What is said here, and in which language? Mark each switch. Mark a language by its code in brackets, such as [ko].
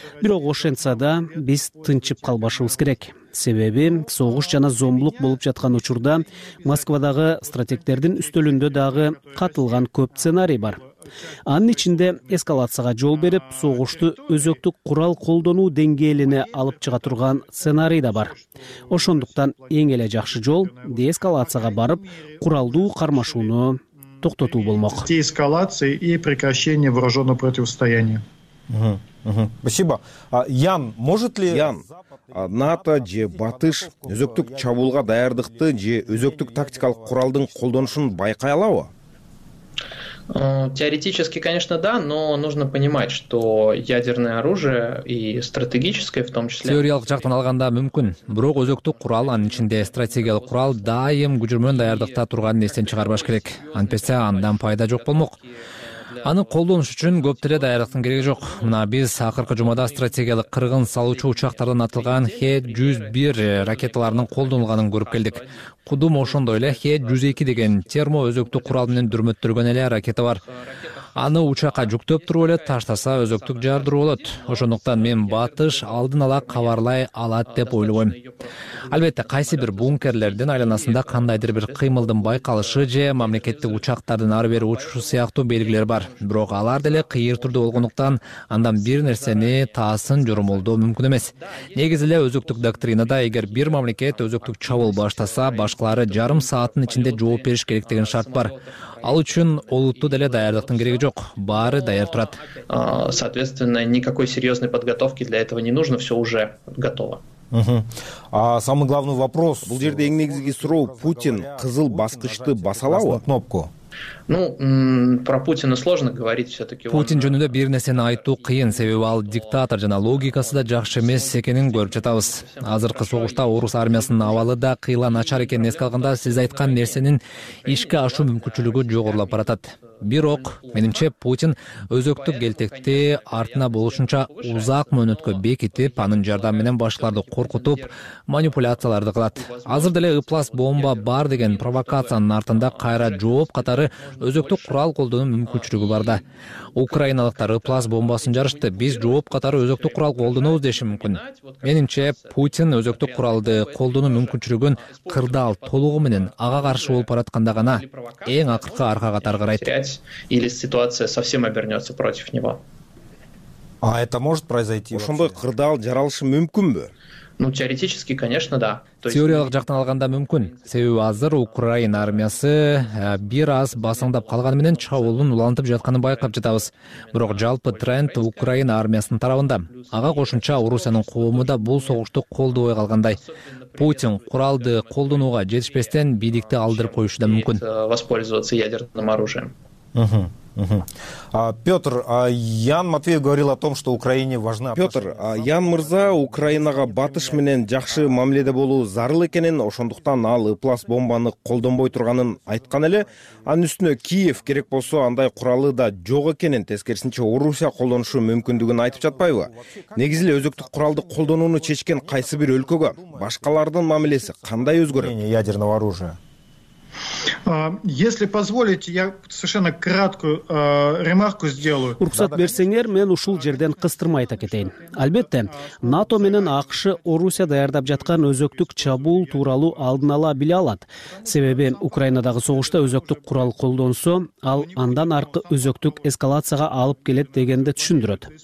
[ky] Бирок ошентсе да биз тынчып калбашыбыз керек. Себеби согуш жана зомбулук болуп жаткан учурда Москвадагы стратегтердин үстөлүндө дагы катылган көп сценарий бар. Анын ичинде эскалацияга жол берип, согушту өзөктүк курал колдонуу деңгээлине алып чыга турган сценарий да бар. Ошондуктан эң эле жакшы жол деэскалацияга барып, куралдуу кармашууну токтотуу болмок. [ru] Деэскалация и прекращение вооружённого противостояния. Спасибо. Ян, может ли [ky] НАТО же Батыш өзөктүк чабуулга даярдыкты же өзөктүк тактикалык куралдын колдонушун байкай алабы? [ru] Теоретически, конечно, да, но нужно понимать, что ядерное оружие и стратегическое в том числе. [ky] Теориялык жактан алганда мүмкүн, бирок өзөктүк курал анын ичинде стратегиялык курал дайым күжүрмөн даярдыкта турганын эстен чыгарбаш керек. Антпесе андан пайда жок болмок. Аны колдонуш үчүн көп деле даярдыктын кереги жок. Мына биз акыркы жумада стратегиялык кыргын салуучу учактардан атылган Х-101 ракеталарынын колдонулганын көрүп келдик. Кудум ошондой эле Х-102 деген термо өзөктүк курал менен дүрмөттөлгөн эле ракета бар. Аны учакка жүктөп туруп эле таштаса өзөктүк жардыруу болот. Ошондуктан мен Батыш алдын ала кабарлай алат деп ойлобойм. Албетте, кайсы бир бункерлердин айланасында кандайдыр бир кыймылдын байкалышы же мамлекеттик учактардын ар бери учушу сыяктуу белгилер бар. Бирок алар деле кыйыр түрдө болгондуктан андан бир нерсени таасын жоромолдоо мүмкүн эмес. Негизи эле өзөктүк доктринада эгер бир мамлекет өзөктүк чабуул баштаса, башкалары жарым сааттын ичинде жооп бериш керек деген шарт бар. Ал үчүн олуттуу деле даярдыктын кереги жок, баары даяр турат. [ru] Соответственно, никакой серьезной подготовки для этого не нужно, все уже готово. Самый главный вопрос. [ky] Бул жерде эң негизги суроо, Путин кызыл баскычты баса алабы? [ru] Кнопку. Ну, про Путина сложно говорить все-таки. [ky] Путин жөнүндө бир нерсени айтуу кыйын, себеби ал диктатор жана логикасы да жакшы эмес экенин көрүп жатабыз. Азыркы согушта орус армиясынын абалы да кыйла начар экенин эске алганда сиз айткан нерсенин ишке ашуу мүмкүнчүлүгү жогорулап баратат. Бирок, менимче, Путин өзөктүк келтекти артына болушунча узак мөөнөткө бекитип, анын жардамы менен башкаларды коркутуп, манипуляцияларды кылат. Азыр деле ыплас бомба бар деген провокациянын артында кайра жооп катары өзөктүк курал колдонуу мүмкүнчүлүгү бар да. Украиналыктар ыплас бомбасын жарышты, биз жооп катары өзөктүк курал колдонобуз деши мүмкүн. Менимче, Путин өзөктүк куралды колдонуу мүмкүнчүлүгүн кырдаал толугу менен ага каршы болуп баратканда гана эң акыркы арка катары карайт. [ru] Или ситуация совсем обернется против него. А это может произойти? [ky] Ошондой кырдаал жаралышы мүмкүнбү? [ru] Ну, теоретически, конечно, да. [ky] Теориялык жактан алганда мүмкүн. Себеби азыр Украина армиясы бир аз басаңдап калганы менен чабуулун улантып жатканын байкап жатабыз. Бирок жалпы тренд Украина армиясынын тарабында. Ага кошунча Орусиянын коому да бул согушту колдобой калгандай. Путин куралды колдонууга жетишпестен бийликти алдырып коюшу да мүмкүн. [ru] Воспользоваться ядерным оружием. Петр, Ян Матвеев говорил о том, что Украине важна... [ky] Петр, Ян Мырза Украинага батыш менен жакшы мамиледе болуу зарыл экенин, ошондуктан ал ыплас бомбаны колдонбой турганын айткан эле. Анын үстүнө Киев керек болсо андай куралы да жок экенин, тескерисинче Орусия колдонушу мүмкүндүгүн айтып жатпайбы? Негизи эле өзөктүк куралды колдонууну чечкен кайсы бир өлкөгө башкалардын мамилеси кандай өзгөрөт? [ru] Ядерного оружия. Если позволите, я совершенно краткую ремарку сделаю. [ky] Уруксат берсеңер, мен ушул жерден кыстырмай айта кетейин. Албетте, НАТО менен АКШ Орусия даярдап жаткан өзөктүк чабуул тууралуу алдын ала биле алат. Себеби, Украинадагы согушта өзөктүк курал колдонсо, ал андан аркы өзөктүк эскалацияга алып келет дегенди түшүндүрөт.